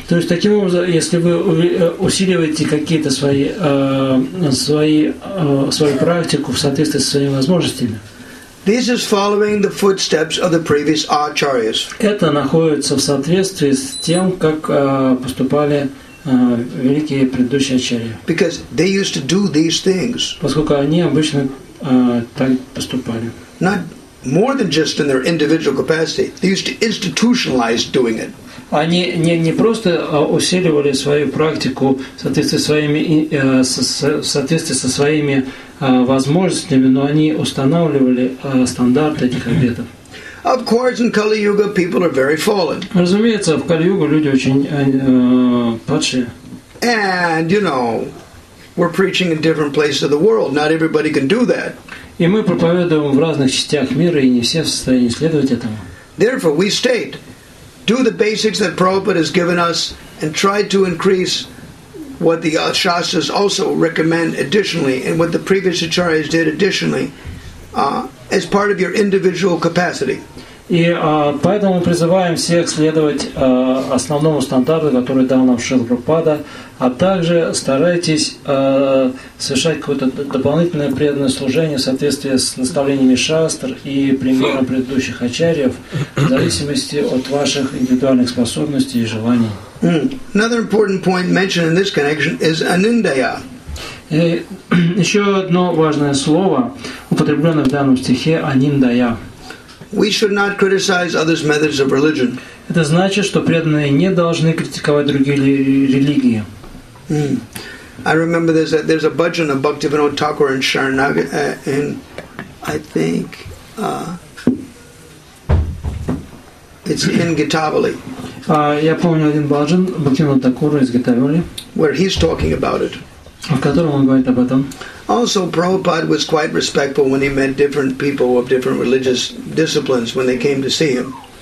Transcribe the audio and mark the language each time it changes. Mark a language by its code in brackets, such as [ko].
[ru] То есть таким образом, если вы усиливаете какие-то свою практику в соответствии со своими возможностями. [en] This is following the footsteps of the previous acharyas. [ru] Это находится в соответствии с тем, как поступали великие предыдущие ачарьи. [en] Because they used to do these things. [ru] Поскольку они обычно так поступали. [en] Not more than just in their individual capacity. They used to institutionalize doing it. [ru] Они не просто усиливали свою практику в соответствии со своими возможностями, но они устанавливали стандарты этих обетов. [en] Of course, in Kali Yuga, people are very fallen. [ru] Разумеется, в Кали-Югу люди очень падшие. [en] And you know, we're preaching in different places of the world. Not everybody can do that. [ru] И мы проповедуем в разных частях мира, и не все в состоянии следовать этому. [en] Therefore, we state, do the basics that Prabhupada has given us, and try to increase what the shastras also recommend additionally, and what the previous acharyas did additionally. As part of your individual capacity. [ru] И поэтому мы призываем всех следовать основному стандарту, который дал нам Шрила Прабхупада, а также старайтесь совершать какое-то дополнительное преданное служение в соответствии с наставлениями шастр и примером предыдущих ачарьев, в зависимости от ваших индивидуальных способностей и желаний. [en] Another important point mentioned in this connection is anindaya. [ru] И еще одно важное слово, употребленное в данном стихе, аниндая. [en] We should not criticize others' methods of religion. [ru] Это значит, что преданные не должны критиковать другие религии. [en] I remember there's a bhajan of Bhaktivinoda Thakur in Sharanagati, and I think it's in Gitavali. [ru] Я помню один бхаджан Бхактивинода Такура из Гитавали, [en] where he's talking about it. [ru] В котором он говорит об этом. [en] Also, Prabhupada was quite respectful when he met different people of different religious disciplines when they came to see him.